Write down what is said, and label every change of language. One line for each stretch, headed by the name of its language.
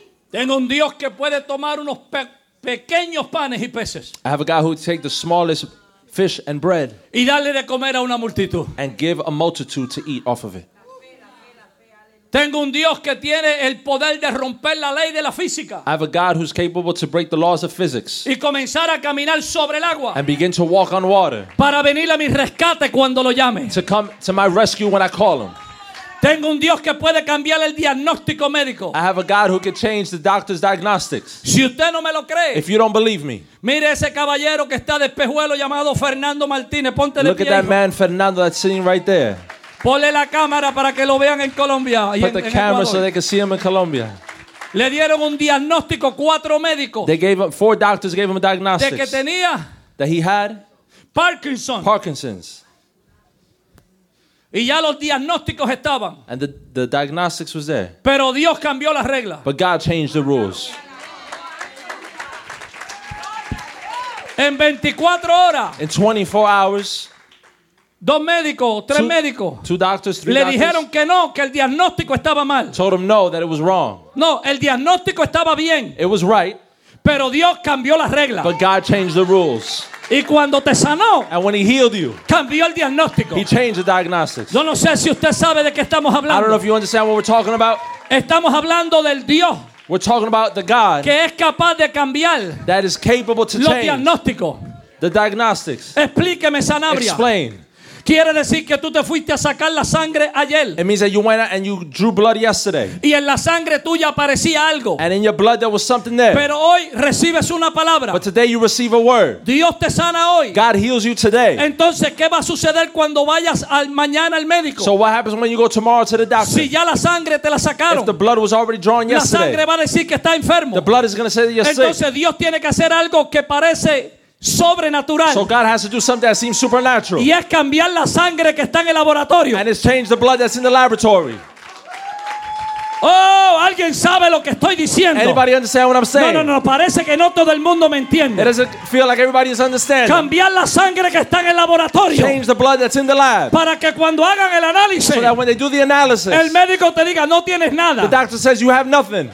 Spanish: Tengo un Dios que puede tomar unos pequeños panes y peces.
English: I have a God who would take the smallest fish and bread.
Spanish: Y darle de comer a una multitud.
English: And give a multitude to eat off of it.
Spanish: Tengo un Dios que tiene el poder de romper la ley de la física.
English: I have a God who's capable to break the laws of physics.
Spanish: Y comenzar a caminar sobre el agua.
English: And begin to walk on water.
Spanish: Para venir a mi rescate cuando lo llame.
English: To come to my rescue when I call him.
Spanish: Tengo un Dios que puede cambiar el diagnóstico médico.
English: I have a God who can change the doctor's diagnostics.
Spanish: Si usted no me lo cree.
English: If you don't believe me.
Spanish: Mire ese caballero que está de espejuelo llamado Fernando Martínez. Ponte de pie.
English: Look at that man Fernando that's sitting right there.
Spanish: Ponle la cámara para que lo vean en Colombia.
English: Put the camera so they can see him in Colombia.
Spanish: Le dieron un diagnóstico cuatro médicos.
English: They gave him, four doctors gave him a diagnostics.
Spanish: De que tenía.
English: That he had.
Spanish: Parkinson's. Y ya los diagnósticos estaban.
English: And the diagnostics was there.
Spanish: Pero Dios cambió las reglas.
English: But God changed the rules.
Spanish: En 24 horas.
English: In 24 hours.
Spanish: Dos médicos, tres médicos.
English: Two doctors, three
Spanish: le
English: doctors.
Spanish: Le dijeron que no, que el diagnóstico estaba mal.
English: Told him no, that it was wrong.
Spanish: No, el diagnóstico estaba bien.
English: It was right.
Spanish: Pero Dios cambió las reglas.
English: But God changed the rules.
Spanish: Y cuando te sanó,
English: and when he healed you,
Spanish: cambió el diagnóstico.
English: He changed the diagnostics.
Spanish: Yo no sé si usted sabe de qué estamos hablando.
English: I don't know if you understand what we're talking about.
Spanish: Estamos hablando del Dios.
English: We're talking about the God
Spanish: que es capaz de cambiar.
English: That is capable to change.
Spanish: Los diagnósticos.
English: The diagnostics.
Spanish: Explíqueme, Sanabria.
English: Explain.
Spanish: Quiere decir que tú te fuiste a sacar la sangre ayer.
English: It means that you went out and you drew blood yesterday.
Spanish: Y en la sangre tuya aparecía algo.
English: And in your blood there was something there.
Spanish: Pero hoy recibes una palabra.
English: But today you receive a word.
Spanish: Dios te sana hoy.
English: God heals you today.
Spanish: Entonces, ¿qué va a suceder cuando vayas al mañana al médico?
English: So what happens when you go tomorrow to the doctor?
Spanish: Si ya la sangre te la sacaron.
English: If the blood was already drawn yesterday.
Spanish: La sangre va a decir que está enfermo.
English: The blood is going to say that you're
Spanish: Entonces,
English: sick.
Spanish: Entonces Dios tiene que hacer algo que parece sobrenatural.
English: So God has to do something that seems supernatural.
Spanish: Y es cambiar la sangre que está en el laboratorio.
English: And it's changed the blood that's in the laboratory.
Spanish: Oh, alguien sabe lo que estoy diciendo.
English: Anybody understand what I'm saying?
Spanish: No, parece que no todo el mundo me entiende.
English: It doesn't feel like everybody is understanding.
Spanish: Cambiar la sangre que está en el laboratorio.
English: Change the blood that's in the lab.
Spanish: Para que cuando hagan el análisis.
English: So that when they do the analysis.
Spanish: El médico te diga, no tienes nada.
English: The doctor says you have nothing.